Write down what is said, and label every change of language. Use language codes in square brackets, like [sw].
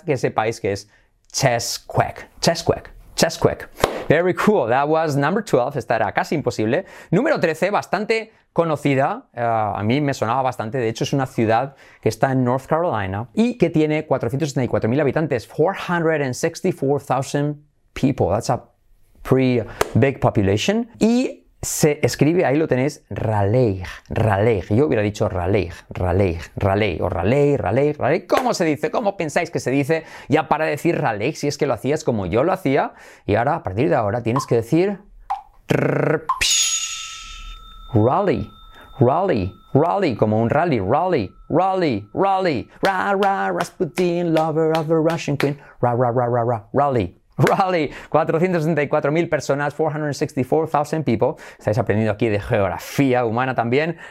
[es] Que sepáis que es Chesquake. [en] Chesquake. Chesquake. Very cool. That was number 12. [es] Esta era casi imposible. Número 13, bastante conocida. A mí me sonaba bastante. De hecho, es una ciudad que está en North Carolina y que tiene 464,000 habitantes. [en] 464,000 people. That's a pretty big population. [es] Y se escribe, ahí lo tenéis, Raleigh. Raleigh. Yo hubiera dicho Raleigh. Raleigh. Raleigh. O Raleigh. Raleigh. Raleigh. ¿Cómo se dice? ¿Cómo pensáis que se dice? Ya para decir Raleigh, si es que lo hacías como yo lo hacía. Y ahora, a partir de ahora, tienes que decir Rally, rally, rally, como un rally, rally, rally, rally, [en] ra ra Rasputin, lover of the Russian queen, [es] ra ra ra ra ra, rally, rally, 464,000 personas, [en] 464,000 people, [es] estáis aprendiendo aquí de geografía humana también.